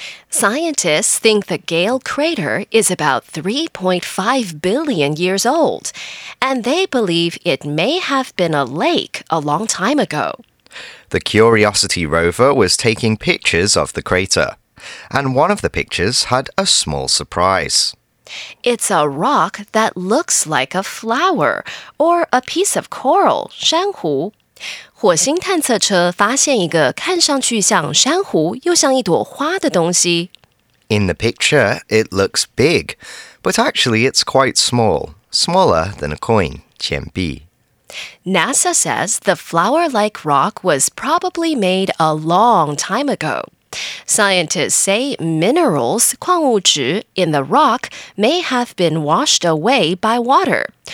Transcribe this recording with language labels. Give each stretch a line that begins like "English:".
English: Scientists think the Gale crater is about 3.5 billion years old, and they believe it may have been a lake a long time ago. The Curiosity rover was taking pictures of the crater, and one of the pictures had a small surprise. It's a rock that looks like a flower or a piece of coral,
Chinese: 珊瑚。火星探测车发现一个看上去像珊瑚又像一朵花的东西。
English: In the picture, it looks big, but actually it's quite small, smaller than a coin,
Chinese: 钱币。
English: NASA says the flower-like rock was probably made a long time ago. Scientists say minerals,
Chinese: 矿物质,
English: in the rock may have been washed away by water.